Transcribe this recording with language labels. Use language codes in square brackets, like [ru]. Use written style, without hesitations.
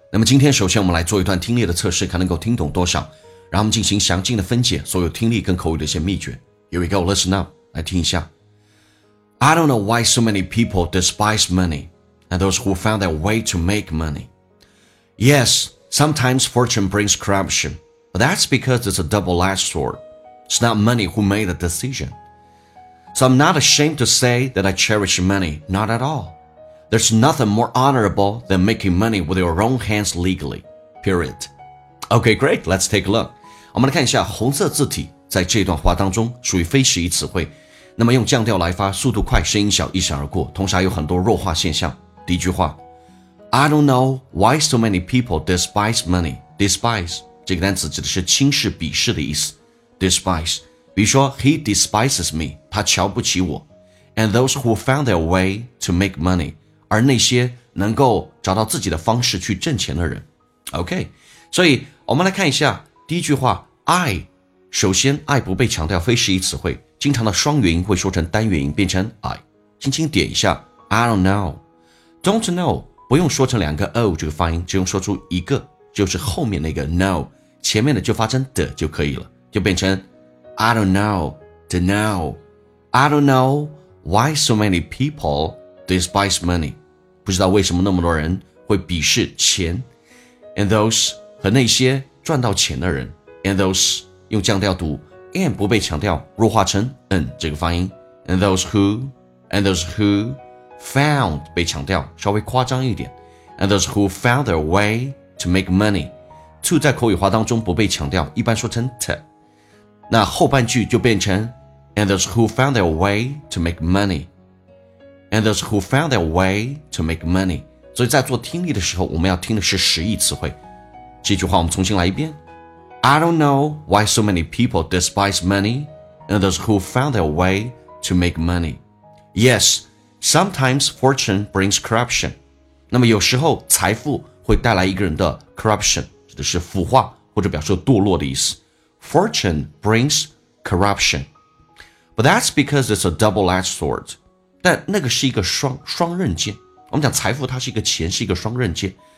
[zh] 那么今天首先我们来做一段听力的测试，看能够听懂多少，然后我们进行详尽的分解所有听力跟口语的一些秘诀。 [en] Here we go, listen up, [zh] 来听一下。 [en] I don't know why so many people despise money and those who found their way to make money. Yes, sometimes fortune brings corruption, but that's because it's a double-edged sword. It's not money who made the decisionSo I'm not ashamed to say that I cherish money, not at all. There's nothing more honorable than making money with your own hands legally, period. Okay, great, let's take a look. [zh] 我们来看一下红色字体在这段话当中属于非时宜词汇。那么用降调来发，速度快，声音小，一闪而过，同时还有很多弱化现象。第一句话 [en] I don't know why so many people despise money. [zh] Despise, 这个单词指的是轻视、鄙视的意思。Despise. 比如说 [en] He despises me, [zh] 他瞧不起我。 [en] And those who found their way to make money, [zh] 而那些能够找到自己的方式去挣钱的人。 OK, 所以我们来看一下第一句话 I, 首先 I 不被强调非时宜词汇，经常的双元音会说成单元音变成 I, 轻轻点一下 [en] I don't know, don't know, [zh] 不用说成两个 O 这个发音，只用说出一个，就是后面那个 know, 前面的就发成的就可以了，就变成 [en] I don't know, to know. I don't know why so many people despise money. [zh] 不知道为什么那么多人会鄙视钱。 [en] And those, [zh] 和那些赚到钱的人。And those, 用降调读 and 不被强调，弱化成 n 这个发音。 [en] And those who found, [zh] 被强调，稍微夸张一点。 [en] And those who found their way to make money. [zh] To 在口语化当中不被强调，一般说成 t. 那后半句就变成 [en] And those who found their way to make money. And those who found their way to make money. [zh] 所以在做听力的时候，我们要听的是时宜词汇。这句话我们重新来一遍。 [en] I don't know why so many people despise money and those who found their way to make money. Yes, sometimes fortune brings corruption. [zh] 那么有时候财富会带来一个人的 corruption, 指的是腐化或者表示堕落的意思。 [en] Fortune brings corruption. But that's because it's a double-edged sword. [zh] 但那个是一个双刃剑。我们讲财富它是一个钱，是一个双刃剑。